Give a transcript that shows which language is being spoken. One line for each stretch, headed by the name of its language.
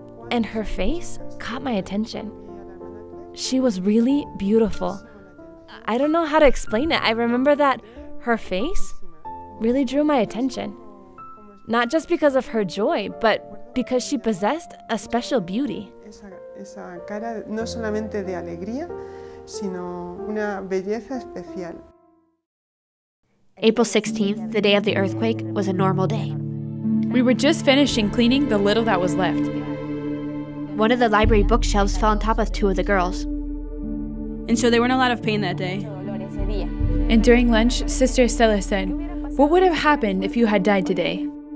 English: And her face caught my attention. She was really beautiful. I don't know how to explain it. I remember that her face really drew my attention. Not just because of her joy, but because she possessed a special beauty.
Spanish: Esa cara no solamente de alegría, sino una belleza especial.
English: April 16th, the day of the earthquake, was a normal day. We were just finishing cleaning the little that was left. One of the library bookshelves fell on top of two of the girls. And so they weren't a lot of pain that day. And during lunch, Sister Estela said, "What would have happened if you had died today?"